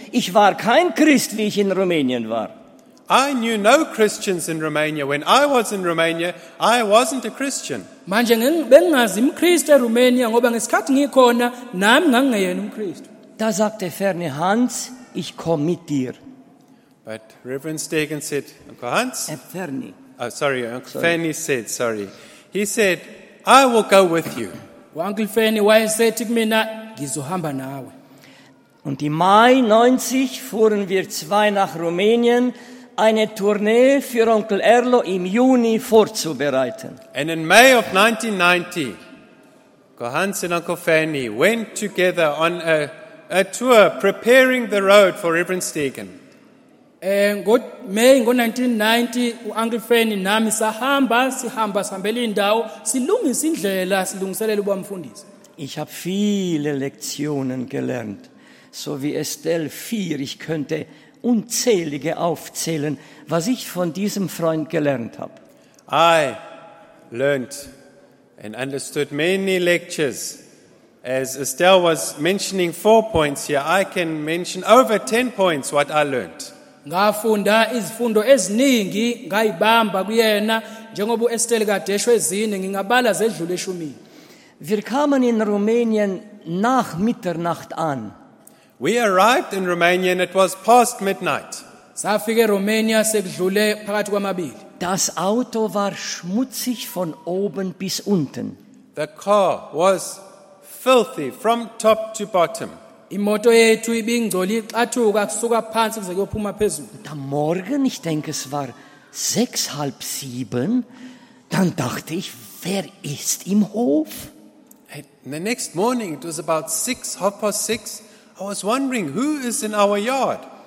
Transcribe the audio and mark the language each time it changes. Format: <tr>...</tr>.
<de>Ich war kein Christ, wie ich in Rumänien war.</de> <en>I knew no Christians in Romania. When I was in Romania, I wasn't a Christian.</en> <zu>Manje bengazi umKristu eRumania ngoba ngesikhathi ngikhona nami ngangeyena umKristu.</zu> <de>Da sagte Ferne Hans, ich komm mit dir.</de> <en>But Reverend Stegen said, Uncle Hans? Ferny. Oh, sorry, Uncle Ferny said, sorry. He said, I will go with you.</en> <zu>Uncle Fanny wayesethi kumina ngizohamba nawe.</zu> <de>Und im Mai 90 fuhren wir zwei nach Rumänien, eine Tournee für Onkel Erlo im Juni vorzubereiten.</de> <en>And in May of 1990, Gohans and Uncle Fanny went together on a tour preparing the road for Reverend Stegen.</en> <zu>May 1990, Uncle Fanny nami sahamba, sihamba sambele indawo, silungisa indlela, silungiselela ukuba mfundisi.</zu> <de>Ich habe viele Lektionen gelernt, so wie Estelle 4. Ich könnte unzählige aufzählen, was ich von diesem Freund gelernt habe.</de> <en>I learned and understood many lectures. As Estelle was mentioning 4 points here, I can mention over 10 points what I learned.</en> <zu>Ngafunda izifundo eziningi ngayibamba kuyena njengoba uEstelle kadeshwe ezine ngingabala zedlule eshumi.</zu> <de>Wir kamen in Rumänien nach Mitternacht an.</de> <en>We arrived in Romania and it was past midnight.</en> <zu>Safike Romania sekudlule phakathi kwamabili.</zu> <de>Das Auto war schmutzig von oben bis unten.</de> <en>The car was filthy from top to bottom.</en> <zu>Imoto yethu ibingcoli xathuka kusuka phansi kuze kuyophuma phezulu.</zu> <de>Am Morgen, ich denke es war 6:30, dann dachte ich, wer ist im Hof?</de> <en>The next morning, it was about 6:30, I was wondering who is in our yard.</en>